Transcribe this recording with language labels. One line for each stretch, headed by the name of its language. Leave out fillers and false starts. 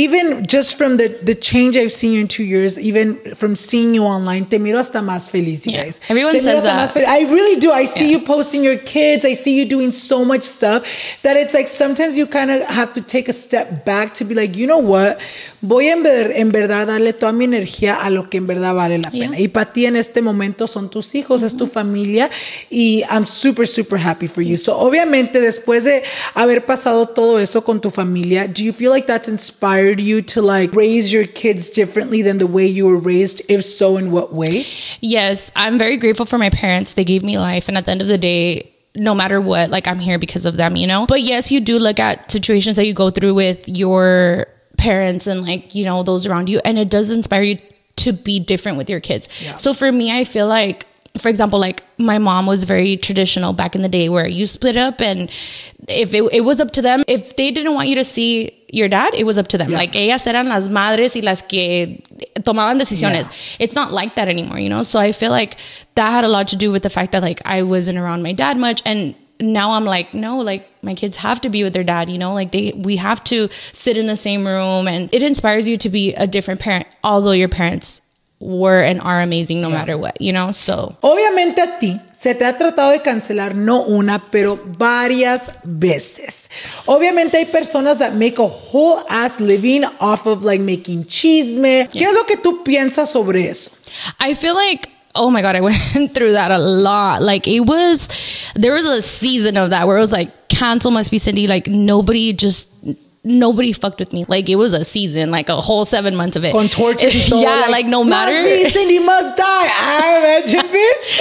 English: Even just from the change I've seen you in 2 years, even from seeing you online,
Spanish: te miro hasta más feliz,
English: you guys. Everyone says that. I really do. I see you posting your kids. I see you doing so much stuff that it's like, sometimes you kind of have to take a step back to be like, you know what?
Spanish: Voy a en verdad darle toda mi energía a lo que en verdad vale la pena. Y para ti en este momento son tus hijos, es tu familia.
English: Y I'm super, super happy for you. So
Spanish: obviamente después de haber pasado todo eso con tu familia,
English: do you feel like that's inspired you to like raise your kids differently than the way you were raised? If so, in what way? Yes, I'm very grateful for my parents. They gave me life. And at the end of the day, no matter what, like, I'm here because of them, you know? But yes, you do look at situations that you go through with your parents and like, you know, those around you, and it does inspire you to be different with your kids. Yeah. So for me, I feel like, for example, like, my mom was very traditional back in the day where you split up, and if it was up to them, if they didn't want you to see your dad, it was up to them.
Spanish: Yeah. Like, ellas eran las madres y las que tomaban decisiones.
English: Yeah. It's not like that anymore, you know? So I feel like that had a lot to do with the fact that like I wasn't around my dad much. And now I'm like, no, like, my kids have to be with their dad, you know, like, we have to sit in the same room. And it inspires you to be a different parent, although your parents were and are amazing no matter what, you know? So
Spanish: obviamente a ti se te ha tratado de cancelar no una, pero varias veces. Obviamente hay personas
English: that make a whole ass living off of like making chisme. Yeah.
Spanish: ¿Qué es lo que tú piensas sobre eso?
English: I feel like, oh my God, I went through that a lot. Like it was, there was a season of that where it was like, cancel MustBeCindy. Like nobody just, nobody fucked with me. Like it was a season, like a whole 7 months of it. On torture. Yeah, like no matter. MustBeCindy must die. I imagine, bitch.